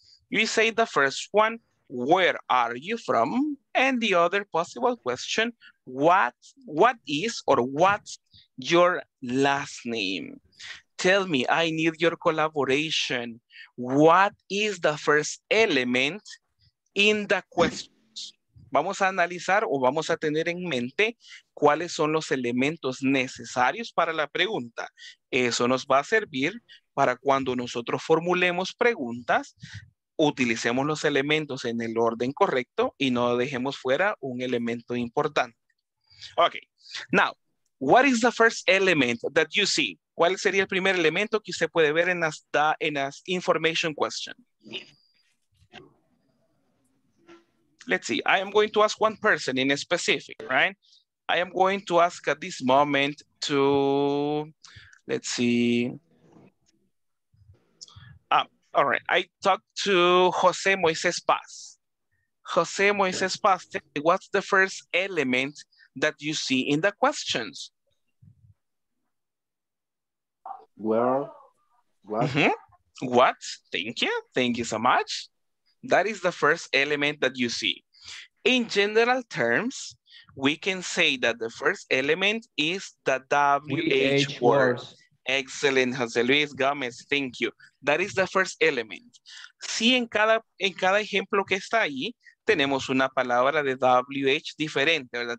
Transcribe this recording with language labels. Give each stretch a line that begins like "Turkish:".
English: You say the first one, where are you from? And the other possible question, what is or what's your last name? Tell me, I need your collaboration. What is the first element in the question?
Spanish: Vamos a analizar o vamos a tener en mente cuáles son los elementos necesarios para la pregunta. Eso nos va a servir para cuando nosotros formulemos preguntas, utilicemos los elementos en el orden correcto y no dejemos fuera un elemento importante.
English: Okay, now, what is the first element that you see?
Spanish: ¿Cuál sería el primer elemento que usted puede ver en las
English: information question? Let's see, I am going to ask one person in specific, right? I am going to ask at this moment to, let's see. All right, I talked to Jose Moises Paz. Jose Moises Paz, what's the first element that you see in the questions? Where? What? Mm-hmm. What? Thank you. Thank you so much. That is the first element that you see. In general terms, we can say that the first element is the WH word. Excellent, Jose Luis Gomez. Thank you. That is the first element.
Spanish: Sí, en cada ejemplo que está ahí, tenemos una palabra de WH diferente, ¿verdad?